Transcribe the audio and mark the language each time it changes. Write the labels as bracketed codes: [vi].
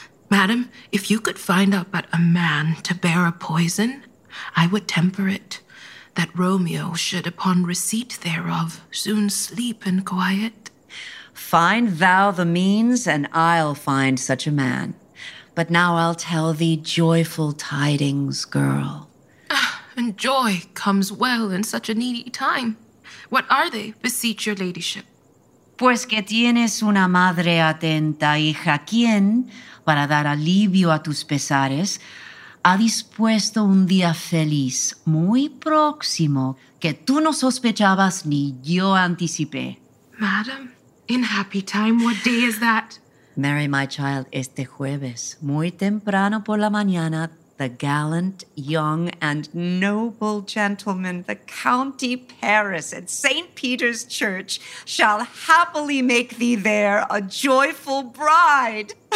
[en] Madam, if you could find out but a man to bear a poison, I would temper it, that Romeo should, upon receipt thereof, soon sleep in quiet. Find thou the means, and I'll find such a man. But now I'll tell thee joyful tidings, girl. And joy comes well in such a needy time. What are they, beseech your ladyship? [es] Pues que tienes una madre atenta, hija, quien, para dar alivio a tus pesares, ha dispuesto un día feliz, muy próximo, que tú no sospechabas ni yo anticipé. [en] Madam, in happy time, what day is that? Mary, my child, [es] este jueves, muy temprano por la mañana, [en] the gallant, young, and noble gentleman, the county Paris at St. Peter's Church, shall happily make thee there a joyful bride.